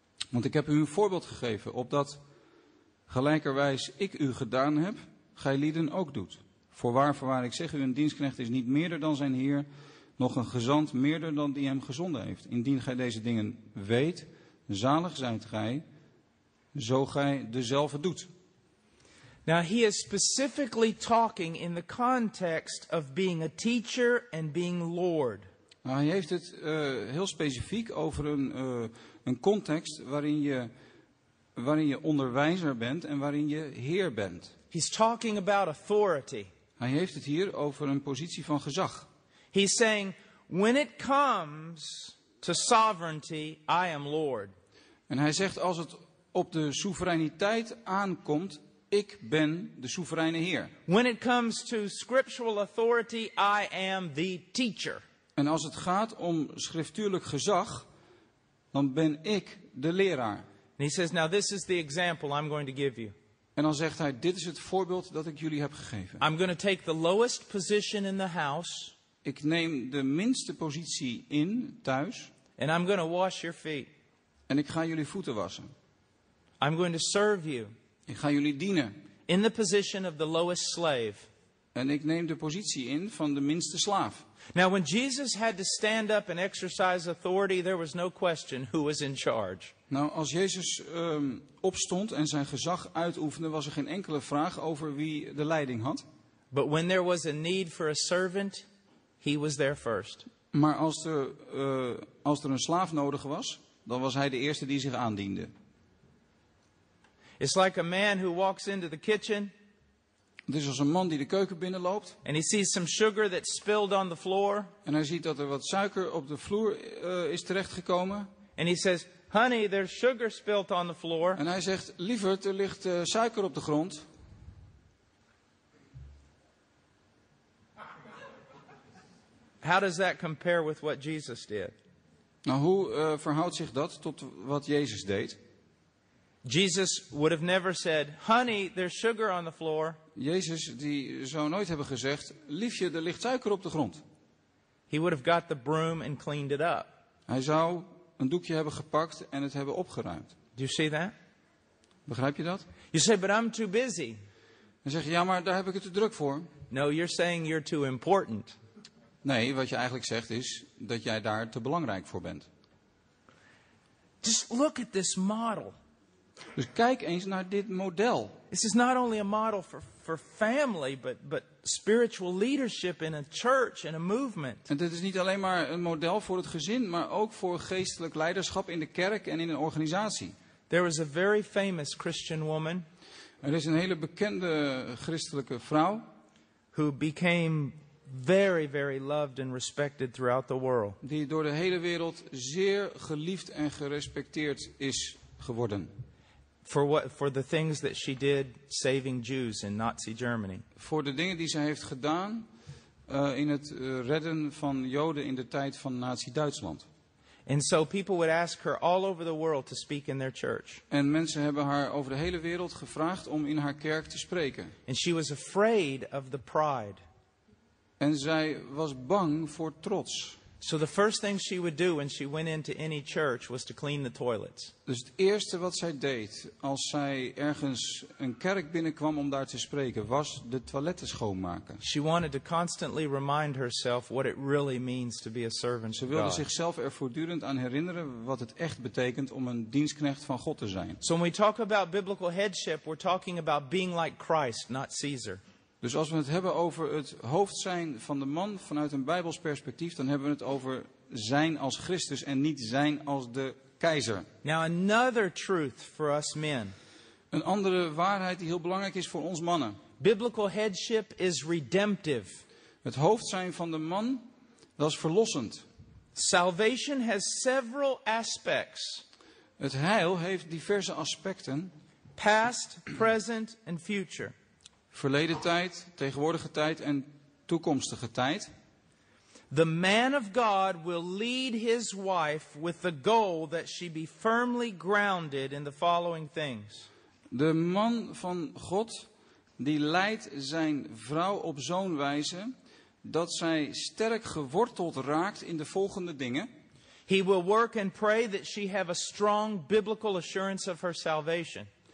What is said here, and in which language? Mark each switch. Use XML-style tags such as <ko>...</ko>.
<nl>Want ik heb u een voorbeeld gegeven, opdat gelijkerwijs ik u gedaan heb, gij lieden ook doet. Voorwaar ik zeg u, een dienstknecht is niet meerder dan zijn heer, nog een gezant meerder dan die hem gezonden heeft. Indien gij deze dingen weet, zalig zijt gij, zo gij dezelfde doet.</nl> <en>Now he is specifically talking in the context of being a teacher and being Lord.</en> <nl>Nou, hij heeft het heel specifiek over een context waarin je onderwijzer bent en waarin je heer bent.</nl> <en>He's talking about authority.</en> <nl>Hij heeft het hier over een positie van gezag.</nl> <en>He's saying, when it comes to sovereignty, I am Lord.</en> <nl>En hij zegt, als het op de soevereiniteit aankomt, ik ben de soevereine Heer.</nl> <en>When it comes to scriptural authority, I am the teacher.</en> <nl>En als het gaat om schriftuurlijk gezag, dan ben ik de leraar.</nl> <en>And he says, now this is the example I'm going to give you.</en> <nl>En dan zegt hij, dit is het voorbeeld dat ik jullie heb gegeven.</nl> <en>I'm going to take the lowest position in the house.</en> <nl>Ik neem de minste positie in thuis.</nl> <en>And I'm going to wash your feet.</en> <nl>En ik ga jullie voeten wassen.</nl> <en>I'm going to serve you.</en> <nl>Ik ga jullie dienen.</nl> <en>In the position of the lowest slave.</en> <nl>En ik neem de positie in van de minste slaaf.</nl> <en>Now when Jesus had to stand up and exercise authority, there was no question who was in charge.</en> <nl>Nou, als Jezus opstond en zijn gezag uitoefende, was er geen enkele vraag over wie de leiding had.</nl> <en>But when there was a need for a servant, he was there first.</en> <nl>Maar als er een slaaf nodig was, dan was hij de eerste die zich aandiende.</nl> <en>It's like a man who walks into the kitchen.</en> <nl>Het is als een man die de keuken binnenloopt.</nl> <en>And he sees some sugar that spilled on the floor.</en> <nl>En hij ziet dat er wat suiker op de vloer is terechtgekomen.</nl> <en>And he says, honey, there's sugar spilled on the floor.</en> <nl>En hij zegt, lieverd, er ligt suiker op de grond.</nl> <en>How does that compare with what Jesus did?</en> <nl>Nou, hoe verhoudt zich dat tot wat Jezus deed?</nl> <en>Jesus would have never said, honey, there's sugar on the floor.</en> <nl>Jezus die zou nooit hebben gezegd, liefje, er ligt suiker op de grond.</nl> <en>He would have got the broom and cleaned it up.</en> <nl>Hij zou een doekje hebben gepakt en het hebben opgeruimd.</nl> <en>Do you see that?</en> <nl>Begrijp je dat?</nl> <en>You say, but I'm too busy.</en> <nl>Dan zeg je, ja, maar daar heb ik het te druk voor.</nl> <en>No, you're saying you're too important.</en> <nl>Nee, wat je eigenlijk zegt is dat jij daar te belangrijk voor bent.</nl> <en>Just look at this model.</en> <nl>Dus kijk eens naar dit model.</nl> <en>This is not only a model for family, but spiritual leadership in a church and a movement.</en> <nl>En dit is niet alleen maar een model voor het gezin, maar ook voor geestelijk leiderschap in de kerk en in een organisatie.</nl> <en>There was a very famous Christian woman.</en> <nl>Er is een hele bekende christelijke vrouw.</nl> <en>Who became very, very loved and respected throughout the world.</en> <nl>Die door de hele wereld zeer geliefd en gerespecteerd is geworden.</nl> <en>For the things that she did saving Jews in Nazi Germany.</en> <nl>Voor de dingen die ze heeft gedaan in het redden van Joden in de tijd van Nazi Duitsland.</nl> <en>And so people would ask her all over the world to speak in their church.</en> <nl>En mensen hebben haar over de hele wereld gevraagd om in haar kerk te spreken.</nl> <en>And she was afraid of the pride.</en> <nl>En zij was bang voor trots.</nl> <en>So the first thing she would do when she went into any church was to clean the toilets.</en> <nl>Dus het eerste wat zij deed als zij ergens een kerk binnenkwam om daar te spreken, was de toiletten schoonmaken.</nl> <en>She wanted to constantly remind herself what it really means to be a servant of God.</en> <nl>Ze wilde zichzelf er voortdurend aan herinneren wat het echt betekent om een dienstknecht van God te zijn.</nl> <en>So when we talk about biblical headship, we're talking about being like Christ, not Caesar.</en> <nl>Dus als we het hebben over het hoofd zijn van de man vanuit een Bijbels perspectief, dan hebben we het over zijn als Christus en niet zijn als de keizer.</nl> <en>Now another truth for us men.</en> <nl>Een andere waarheid die heel belangrijk is voor ons mannen.</nl> <en>Biblical headship is redemptive.</en> <nl>Het hoofd zijn van de man, dat is verlossend.</nl> <en>Salvation has several aspects.</en> <nl>Het heil heeft diverse aspecten.</nl> <en>Past, present and future.</en> <nl>Verleden tijd, tegenwoordige tijd en toekomstige tijd.</nl> <en>The man of God will lead his wife with the goal that she be firmly grounded in the following things.</en> <nl>De man van God die leidt zijn vrouw op zo'n wijze dat zij sterk geworteld raakt in de volgende dingen.</nl> <en>He will work and pray that she have a strong biblical assurance of her salvation.</en>